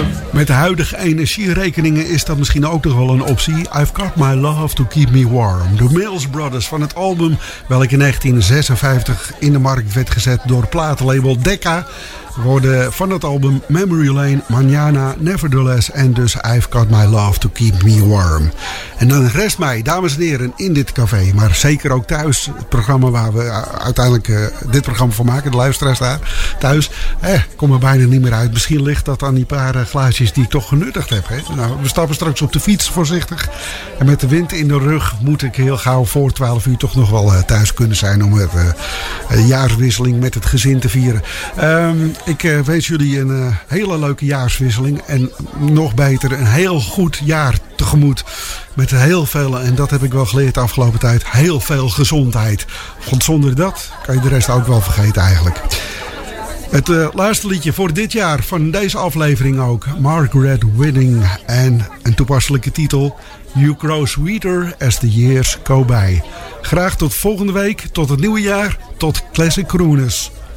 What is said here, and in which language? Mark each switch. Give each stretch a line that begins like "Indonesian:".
Dutch: Met de huidige energierekeningen is dat misschien ook nog wel een optie.
English: I've got my love to keep me warm.
Dutch: De Mills Brothers van het album, welke in 1956 in de markt werd gezet door platenlabel Decca, worden van het album Memory Lane, Manana, Nevertheless en dus I've got my love to keep me warm. En dan rest mij, dames en heren, in dit café, maar zeker ook thuis, het programma waar we uiteindelijk dit programma van maken, de luisteraars daar thuis, kom er bijna niet meer uit. Misschien ligt dat aan die paar glaasjes die ik toch genuttigd heb. Hè? Nou, we stappen straks op de fiets voorzichtig en met de wind in de rug moet ik heel gauw voor 12 uur toch nog wel thuis kunnen zijn om even een jaarwisseling met het gezin te vieren. Ik wens jullie een hele leuke jaarswisseling. En nog beter, een heel goed jaar tegemoet. Met heel veel, en dat heb ik wel geleerd de afgelopen tijd, heel veel gezondheid. Want zonder dat kan je de rest ook wel vergeten eigenlijk. Het laatste liedje voor dit jaar, van deze aflevering ook. Margaret Winning en een toepasselijke titel.
English: You grow sweeter as the years go by.
Dutch: Graag tot volgende week, tot het nieuwe jaar, tot Classic Crooners.